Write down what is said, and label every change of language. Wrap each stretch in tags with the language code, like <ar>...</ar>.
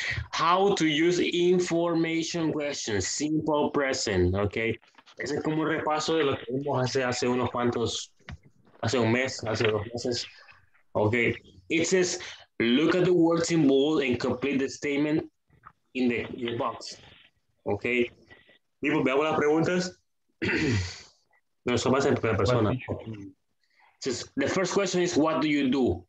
<en>How to use information questions, simple present, okay?</en> <es>Ese es como un repaso de lo que vimos hace un mes, hace dos meses.</es> <en>Okay, it says, look at the words in bold and complete the statement in the box, okay? People,</en> <es>veamos las preguntas. No, eso pasa en primera persona.</es> <en>The first question is, what do you do?</en>